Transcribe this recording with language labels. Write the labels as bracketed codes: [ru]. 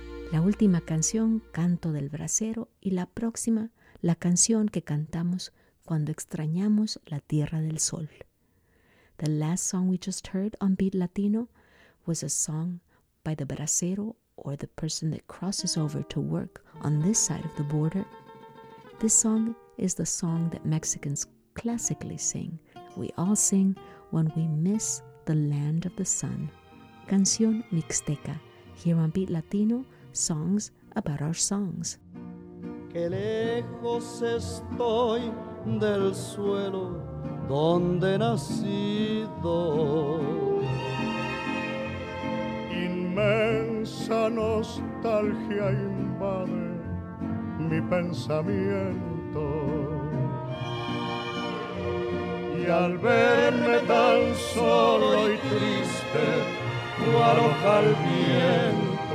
[es] La última canción, Canto del Brasero, y la próxima, la canción que cantamos cuando extrañamos la Tierra del Sol. [en] The last song we just heard on Beat Latino was a song by the bracero, or the person that crosses over to work on this side of the border. This song is the song that Mexicans classically sing. We all sing when we miss the land of the sun. Canción Mixteca, here on Beat Latino, songs about our songs. [es] Qué lejos estoy del suelo donde he nacido. Inmensa nostalgia invade mi pensamiento, y al verme tan solo y triste lo arroja el viento.